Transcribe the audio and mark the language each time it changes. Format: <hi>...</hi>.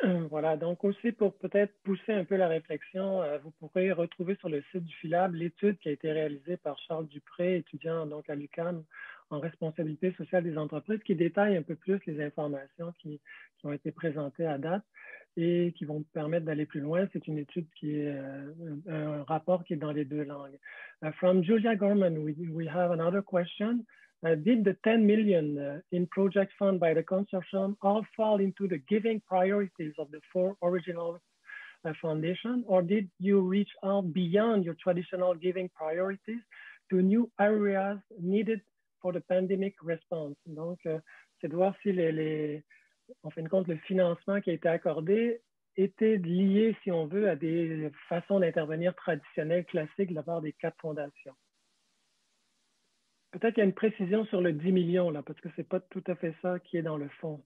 <fr>Voilà, donc aussi pour peut-être pousser un peu la réflexion, vous pourrez retrouver sur le site du Philab l'étude qui a été réalisée par Charles Dupré, étudiant donc à l'UQAM en responsabilité sociale des entreprises, qui détaille un peu plus les informations qui ont été présentées à date et qui vont permettre d'aller plus loin. C'est une étude qui est un rapport qui est dans les deux langues.</fr> <en>From Julia Gorman, we have another question. Did the $10 million in projects funded by the consortium all fall into the giving priorities of the four original foundations, or did you reach out beyond your traditional giving priorities to new areas needed for the pandemic response?</en> <fr>Donc, c'est de voir si en fin de compte, le financement qui a été accordé était lié, si on veut, à des façons d'intervenir traditionnelles, classiques, de la part des quatre fondations. Peut-être qu'il y a une précision sur le 10 millions, là, parce que ce n'est pas tout à fait ça qui est dans le fond.</fr>